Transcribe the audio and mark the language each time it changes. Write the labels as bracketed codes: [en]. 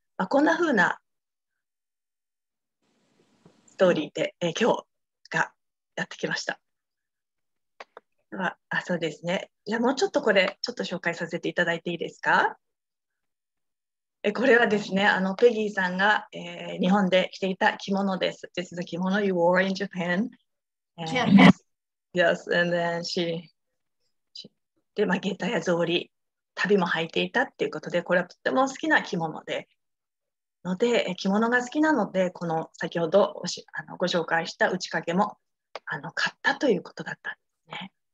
[ja] まあ、こんな風なストーリーで、今日がやってきました。あ、そうですね。じゃあもうちょっとこれちょっと紹介させていただいていいですか。これはですね、ペギーさんが、日本で着ていた着物です。 [en] This is a kimono you wore in Japan. Yes, and then she [ja] で、まあ、下駄や草履、足袋も履いていたっていうことで、これはとても好きな着物で、ので着物が好きなので、この先ほどご紹介した打ち掛けも買ったということだったんですね。